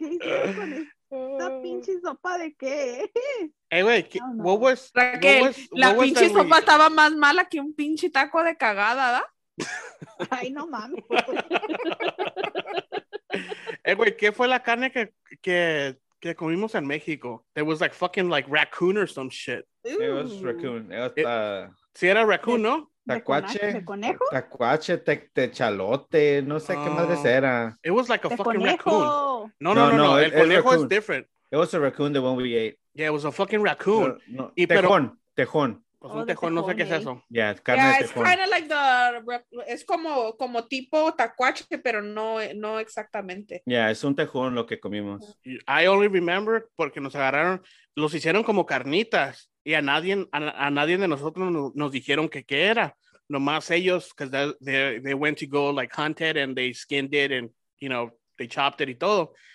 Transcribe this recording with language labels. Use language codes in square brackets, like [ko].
[es] ¿Qué hiciste con esta pinche sopa de qué? [en] Hey, wait, what was Raquel, what [es] was, la what pinche was sopa estaba más mala que un pinche taco de cagada, ¿da? Ay, no mames. [en] Hey, wait, [es] ¿qué fue la carne que comimos en México? [en] There was like fucking like raccoon or some shit. Ooh. It was raccoon. [es] Sí, era raccoon, ¿no? Tacuache. ¿De conejo? Tacuache, techalote, no sé qué madres era. [en] It was like a fucking raccoon. [es] No, el conejo [en] is different. It was a raccoon, the one we ate. Yeah, it was a fucking raccoon. [es] No, tejón, tejón. Pues un tejón, no sé qué es eso. [en] Yeah, it's [es] carne de tejón. [en] Yeah, it's kind of like the, [es] es como tipo tacuache, pero no exactamente. Yeah, es un tejón lo que comimos. [en] I only remember [es] porque nos agarraron, los hicieron como carnitas. Y a nadie de nosotros nos dijeron que qué era. Nomás ellos, [en] because they went to go like hunt it and they skinned it and, you know, they chopped it [es] y todo.